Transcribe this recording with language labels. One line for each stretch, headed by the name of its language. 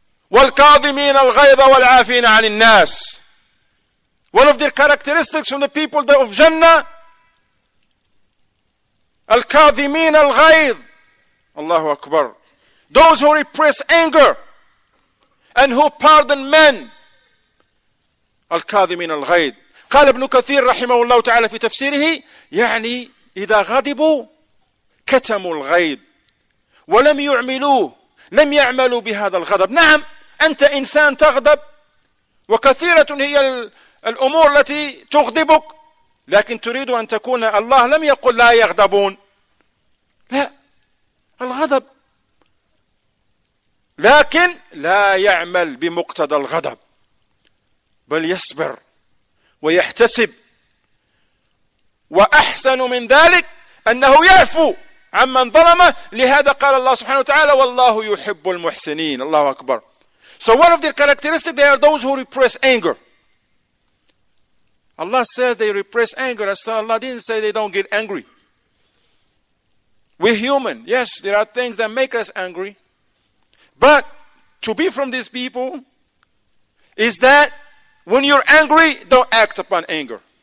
Arabic: وَالْكَاظِمِينَ الْغَيْضَ وَالْعَافِينَ عَنِ النَّاسِ.
English: One of the characteristics from the people of Jannah,
Arabic: الْكَاظِمِينَ الْغَيْضَ.
English: Allahu Akbar. Those who repress anger and who pardon men.
Arabic: الكاظمين الغيظ. قال ابن كثير رحمه الله تعالى في تفسيره يعني إذا غضبوا كتموا الغيظ ولم يعملوه لم يعملوا بهذا الغضب. نعم أنت إنسان تغضب وكثيرة هي الأمور التي تغضبك، لكن تريد أن تكون الله لم يقل لا يغضبون، لا الغضب، لكن لا يعمل بمقتضى الغضب بل يصبر ويحتسب. وأحسن من ذلك أنه يعفو عمن ظلمه. لهذا قال الله سبحانه وتعالى والله يحب المحسنين. الله أكبر.
English: So one of the characteristics, they are those who repress anger. Allah says they repress anger. So Allah didn't say they don't get angry. We're human. Yes, there are things that make us angry. But to be from these people is that when you're angry, don't act upon anger.